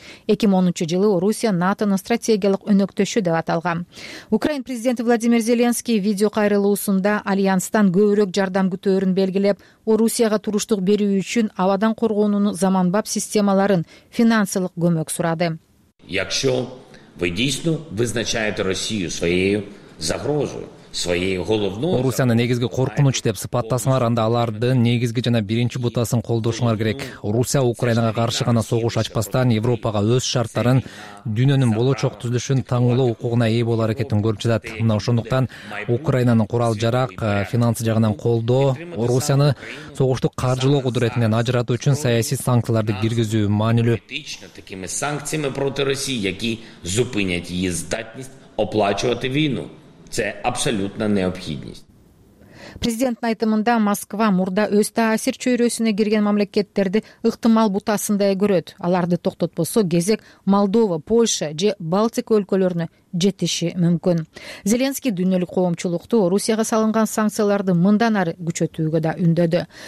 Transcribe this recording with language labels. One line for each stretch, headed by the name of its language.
Kyrgyz: 2010-жылы Орусия НАТОнун стратегиялык өнөктөшү деп аталган. Украин президенти Владимир Зеленский видео кайрылуусунда альянстан көбүрөөк жардам күтөөрүн белгилеп, Орусияга туруштук берүү үчүн абадан коргоонунун заманбап системаларын, финансылык көмөк сурады.
Ukrainian: Якщо ви дійсно визначаєте Росію своєю загрозою,
Kyrgyz: Орусияны негизги коркунуч деп сыпаттасыңар, анда алардын негизги жана биринчи бутасын колдошуңар керек. Орусия Украинага каршы гана согуш ачпастан Европага өз шарттарын, дүйнөнүн болочок түзүлүшүн таңуулоо укугуна ээ болуу аракетин көрүп жатат. Мына ошондуктан Украинанын курал жарак, финансы жагынан колдоо, Орусияны согушту каржылоо кудуретинен ажыратуу үчүн саясий санкцияларды киргизүү маанилүү.
Ukrainian: Такими санкциями проти Росії, які зупинять її здатність оплачувати війну. Це абсолютно необхідність.
Kyrgyz: Президенттин айтымында Москва мурда өз таасир чөйрөсүнө кирген мамлекеттерди ыктымал бутасындай көрөт. Аларды токтотпосо кезек Молдова, Польша же Балтика өлкөлөрүнө жетиши мүмкүн. Зеленский дүйнөлүк коомчулукту Орусияга салынган санкцияларды мындан ары күчөтүүгө да үндөдү.